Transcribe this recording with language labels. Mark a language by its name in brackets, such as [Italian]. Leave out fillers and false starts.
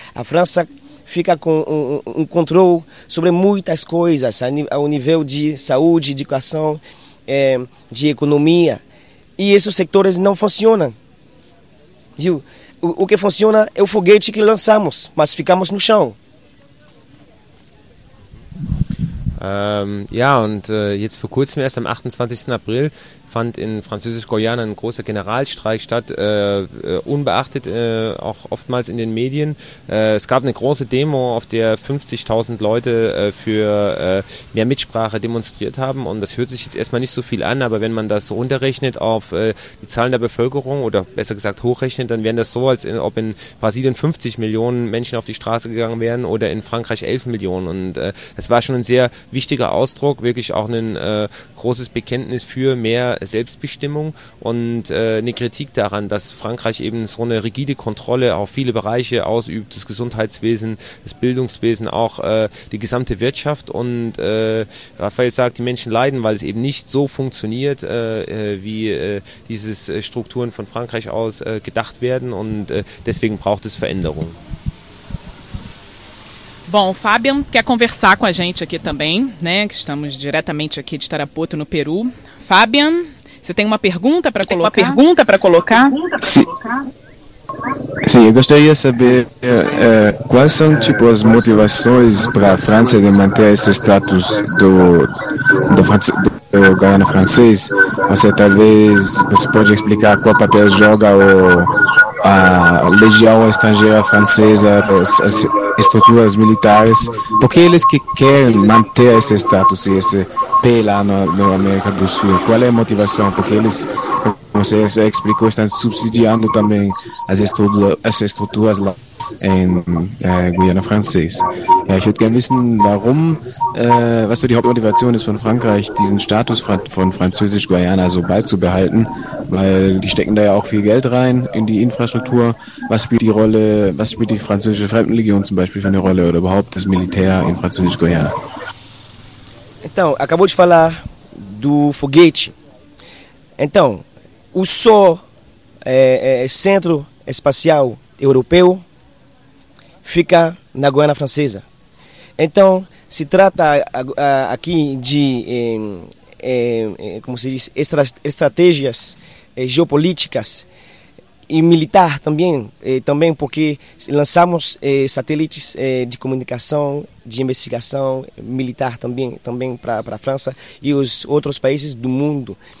[Portuguese] A França fica com um controle sobre muitas coisas, ao nível de saúde, educação, de economia. E esses setores não funcionam. Viu? O que funciona é o foguete que lançamos, mas ficamos no chão. [German] Ja, und jetzt vor kurzem, erst am 28. April, fand in Französisch-Guayana ein großer Generalstreik statt, unbeachtet auch oftmals in den Medien. Es gab eine große Demo, auf der 50.000 Leute für mehr Mitsprache demonstriert haben. Und das hört sich jetzt erstmal nicht so viel an, aber wenn man das runterrechnet auf die Zahlen der Bevölkerung oder besser gesagt hochrechnet, dann wären das so, als ob in Brasilien 50 Millionen Menschen auf die Straße gegangen wären oder in Frankreich 11 Millionen. Und das war schon ein sehr wichtiger Ausdruck, wirklich auch ein großes Bekenntnis für mehr Selbstbestimmung und eine Kritik daran, dass Frankreich eben so eine rigide Kontrolle auf viele Bereiche ausübt, das Gesundheitswesen, das Bildungswesen, auch die gesamte Wirtschaft. Und Raphael sagt, die Menschen leiden, weil es eben nicht so funktioniert, wie diese Strukturen von Frankreich aus gedacht werden, und deswegen braucht es Veränderung. [Portuguese] Bom, o Fabian quer conversar com a gente aqui também, né? Estamos diretamente aqui de Tarapoto, no Peru. Fabian, você tem uma pergunta para colocar? Sim, eu gostaria de saber quais são, tipo, as motivações para a França de manter esse status do Guayana francês. Você, talvez, você pode explicar qual papel joga a legião estrangeira francesa, as estruturas militares, porque eles que querem manter esse status e esse P lá na América do Sul, qual é a motivação? Porque eles, como você já explicou, estão subsidiando também as estruturas lá em Guiana Francês. [German] Ich würde gerne wissen, warum, was so die Hauptmotivation ist von Frankreich, diesen Status von Französisch-Guayana so beizubehalten, weil die stecken da ja auch viel Geld rein in die Infrastruktur. Was spielt die französische Fremdenlegion zum Beispiel für eine Rolle oder überhaupt das Militär in Französisch-Guayana? [Portuguese] Então, acabou de falar do foguete. Então, o só centro espacial europeu fica na Guiana Francesa. Então, se trata aqui de como se diz, estratégias geopolíticas e militar também, também porque lançamos satélites de comunicação, de investigação militar também para a França e os outros países do mundo.